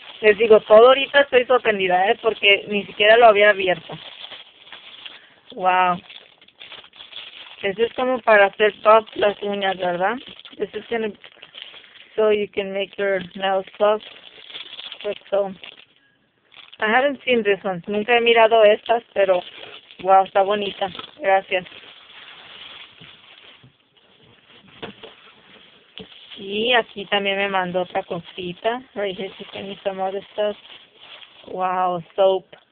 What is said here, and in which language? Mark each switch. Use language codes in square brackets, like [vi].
[es] Les digo, todo ahorita estoy sorprendida, porque ni siquiera lo había abierto. Wow. Eso es como para hacer puff las uñas, ¿verdad? [en] This is gonna, so you can make your nails puff. But so, I haven't seen this one. [es] Nunca he mirado estas, pero wow, está bonita. Gracias. Y aquí también me mandó otra cosita. [en] Right here, she sent me some other stuff. Wow, soap.